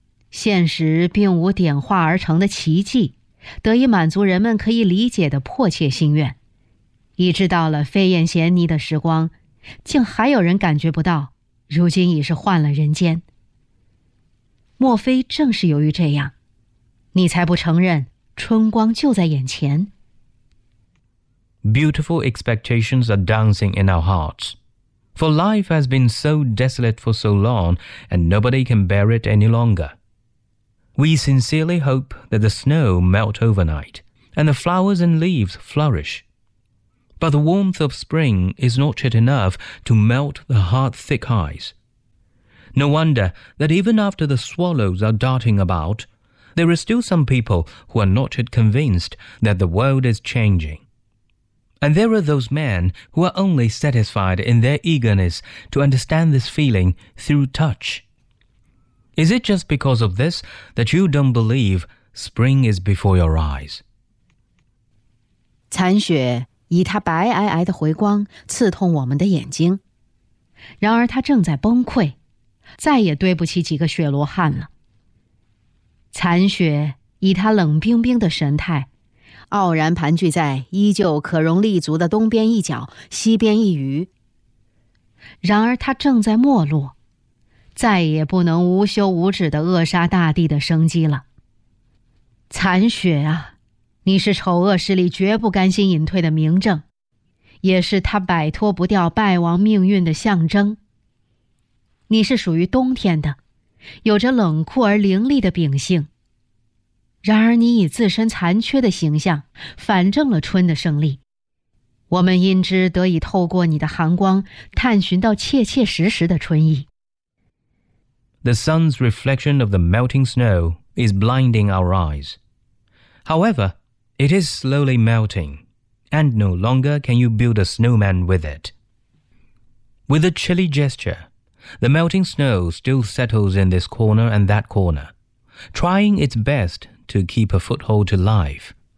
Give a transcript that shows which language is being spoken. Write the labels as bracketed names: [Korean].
[Chinese] 现实并无点化而成的奇迹，得以满足人们可以理解的迫切心愿。已知道了飞燕衔泥的时光，竟还有人感觉不到。如今已是换了人间。莫非正是由于这样，你才不承认春光就在眼前 [English] ？Beautiful expectations are dancing in our hearts, for life has been so desolate for so long, and nobody can bear it any longer. We sincerely hope that the snow melt overnight, and the flowers and leaves flourish. But the warmth of spring is not yet enough to melt the hard thick ice. No wonder that even after the swallows are darting about, there are still some people who are not yet convinced that the world is changing. And there are those men who are only satisfied in their eagerness to understand this feeling through touch. Is it just because of this that you don't believe spring is before your eyes? [Chinese] 残雪以它白皑皑的回光刺痛我们的眼睛，然而它正在崩溃，再也堆不起几个雪罗汉了。残雪以它冷冰冰的神态，傲然盘踞在依旧可容立足的东边一角、西边一隅。然而它正在没落，再也不能无休无止地扼杀大地的生机了。残雪啊，你是丑恶势力绝不甘心隐退的明证，也是它摆脱不掉败亡命运的象征。你是属于冬天的，有着冷酷而凌厉的秉性，然而你以自身残缺的形象反证了春的胜利。我们因之得以透过你的寒光探寻到切切实实的春意。 [English] The sun's reflection of the melting snow is blinding our eyes. However, it is slowly melting, and no longer can you build a snowman with it. With a chilly gesture,The melting snow still settles in this corner and that corner, trying its best to keep a foothold to life.